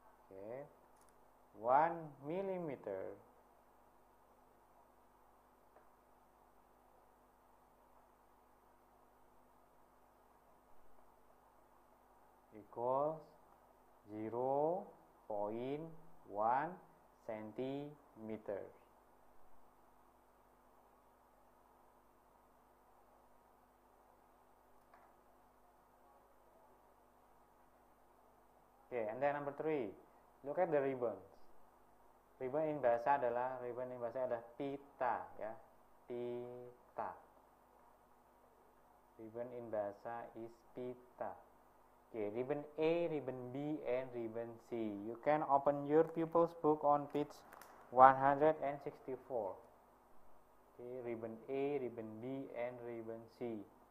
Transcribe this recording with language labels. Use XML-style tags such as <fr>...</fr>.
<en>Okay, 1 millimeter equals 0.1 centimeter. Okay, and then number three, look at the ribbons. Ribbon in</en> <id>bahasa adalah ribbon in bahasa adalah pita, ya, pita.</id> <en>Ribbon in bahasa is pita. Okay, ribbon A, ribbon B, and ribbon C. You can open your pupil's book on page 164. Okay, ribbon A, ribbon B, and ribbon C.</en>